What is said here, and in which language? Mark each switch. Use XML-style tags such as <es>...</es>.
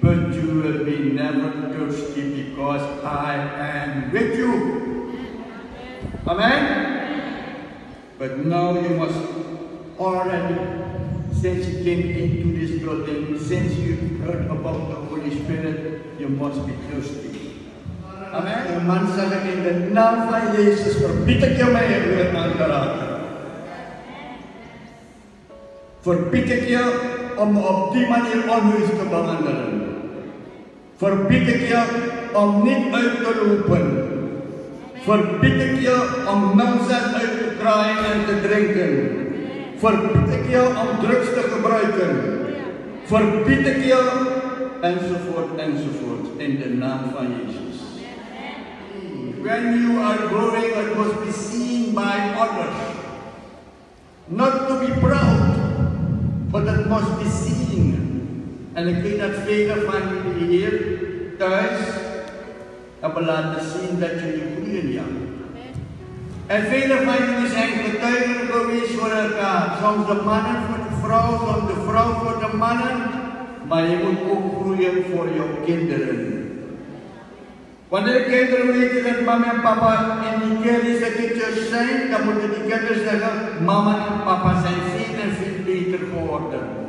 <en>But you will be never thirsty because I am with you. Amen? But now you must already, since you came into this building, since you heard about the Holy Spirit, you must be thirsty. Amen.</en> <nl>De man zegt in de naam van Jezus, verbied ik je mij om weer aan te raken. Verbied ik je om op die manier onheus te behandelen. Verbied ik je om niet uit te lopen. Verbied ik je om mensen uit te draaien en te drinken. Verbied ik je om drugs te gebruiken. Verbied ik je enzovoort enzovoort in de naam van Jezus.</nl> <en>When you are growing, it must be seen by others. Not to be proud, but it must be seen.</en> <nl>En ik weet dat vele van jullie hier thuis hebben laten zien dat jullie groeien, ja. En vele van jullie zijn getuigen geweest voor elkaar. Soms de mannen voor de vrouw, soms de vrouw voor de mannen. Maar je moet ook groeien voor je kinderen. Wanneer kinderen weten dat mama en papa in die kerk zijn, dan moeten die kinderen zeggen, mama en papa zijn veel en veel beter geworden.</nl>